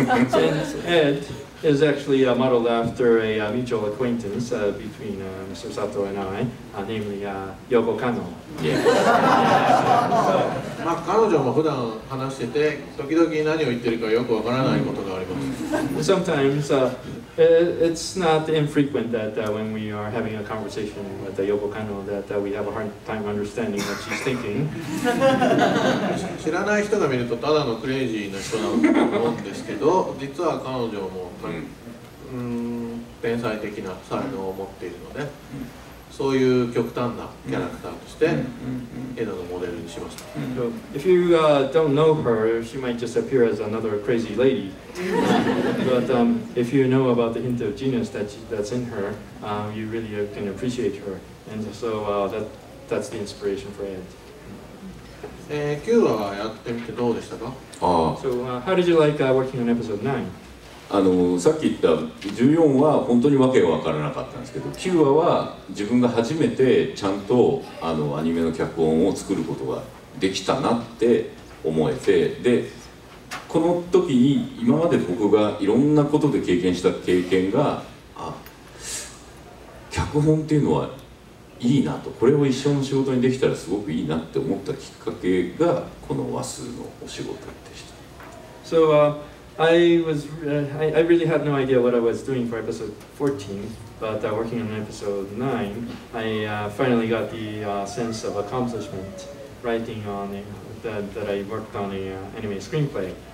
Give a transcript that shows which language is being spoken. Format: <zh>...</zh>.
<en>And Ed is actually modeled after a mutual acquaintance between Mr. Sato and I, namely Yoko Kanno.</en> <ja>まあ、彼女も普段話してて、時々何を言ってるかよくわからないことがあります。</ja> <en>Sometimes, it's not infrequent that when we are having a conversation with Yoko Kanno that we have a hard time understanding what she's thinking.</en> <ja>知らない人が見るとただのクレイジーな人だと思うんですけど、実は彼女も、天才的な才能を持っているので、そういう極端なキャラクターとして、エドのモデルにしました。</ja> <en>So, if you don't know her, she might just appear as another crazy lady. But if you know about the hint of genius that's in her, you really can appreciate her. And so that's the inspiration for Ed.</en> <ja>Q はやってみてどうでしたか？</ja> <en>So, how did you like working on episode 9?</en> <ja>あの、さっき言った14は本当にわけが分からなかったんですけど、9話は自分が初めてちゃんと、あの、アニメの脚本を作ることができたなって思えて、でこの時に今まで僕がいろんなことで経験した経験が、あ、脚本っていうのはいいなと、これを一緒の仕事にできたらすごくいいなって思ったきっかけがこの話数のお仕事でした。</ja> <en>So, I really had no idea what I was doing for episode 14, but working on episode 9, I finally got the sense of accomplishment writing on that I worked on an anime screenplay.</en>